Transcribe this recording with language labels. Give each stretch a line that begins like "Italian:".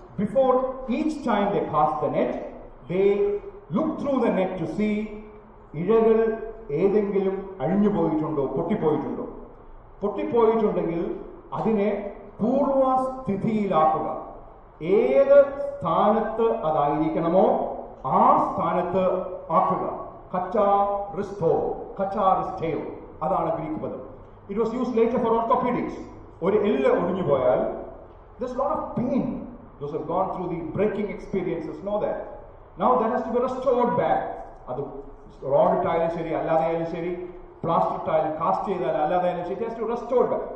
English: Before each time they cast the net, they look through the net to see
Malayalam: ഇഴകൾ ഏതെങ്കിലും അഴിഞ്ഞു പോയിട്ടുണ്ടോ പൊട്ടിപ്പോയിട്ടുണ്ടോ പൊട്ടിപ്പോയിട്ടുണ്ടെങ്കിൽ അതിനെ പൂർവസ്ഥിതിയിലാക്കുക ഏത് സ്ഥാനത്ത് അതായിരിക്കണമോ ആ സ്ഥാനത്ത് ആക്കുക കച്ചാറിസ്തോ കച്ചാറിസ്തയോ അതാണ് ഗ്രീക്ക് പദം
English: It was used later for orthopedics.
Malayalam: ഒരു എല്ല് ഒടിഞ്ഞു പോയാൽ
English: there's a lot of pain. Those have gone through the breaking experiences, know that. Now that has to be restored back.
Malayalam: അത് റോഡിട്ടായാലും ശരി അല്ലാതെയാലും ശരി പ്ലാസ്റ്റിട്ടായാലും കാസ്റ്റ് ചെയ്താലും അല്ലാതെയാലും ശരി
English: it has to be restored back.